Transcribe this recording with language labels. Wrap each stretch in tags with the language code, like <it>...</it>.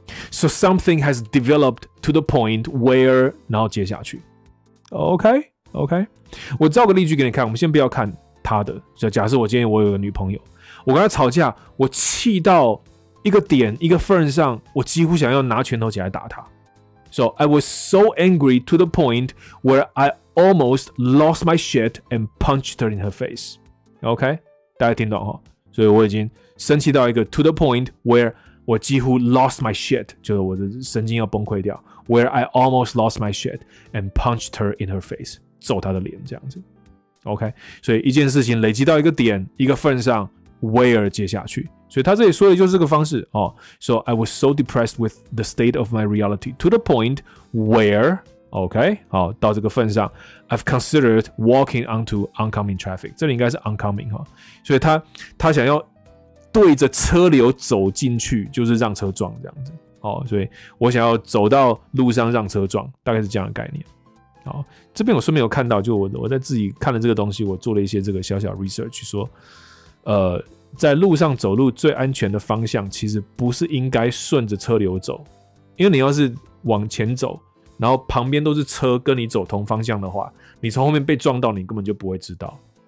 <en>So something has developed to the point where，</en> <zh>然后接下去 ，OK OK， 我造个例句给你看。我们先不要看他的，就假设我今天我有个女朋友，我跟她吵架，我气到一个点一个份上，我几乎想要拿拳头起来打她。</zh> <en>So I was so angry to the point where I almost lost my shit and punched her in her face。</en> <zh>OK， 大家听懂哈？所以我已经生气到一个</zh> <en>to the point where。</en> <zh>我几乎</zh> <en>lost my shit，</en> <zh>就是我的神经要崩溃掉。</zh> <en>Where I almost lost my shit and punched her in her face，</en> <zh>揍她的脸这样子。 OK， 所以一件事情累积到一个点一个份上 ，where 接下去。所以他这里说的就是这个方式哦。</zh> <en>So I was so depressed with the state of my reality to the point where， OK，</en> <zh>好，到这个份上</zh> <en>，I've considered walking onto oncoming traffic。</en> <zh>这里应该是 oncoming 哈、哦，所以他想要。对着车流走进去，就是让车撞这样子。哦，所以我想要走到路上让车撞，大概是这样的概念。好，这边我顺便有看到，就我在自己看了这个东西，我做了一些这个小小 research， 说，在路上走路最安全的方向，其实不是应该顺着车流走，因为你要是往前走，然后旁边都是车跟你走同方向的话，你从后面被撞到，你根本就不会知道。</zh>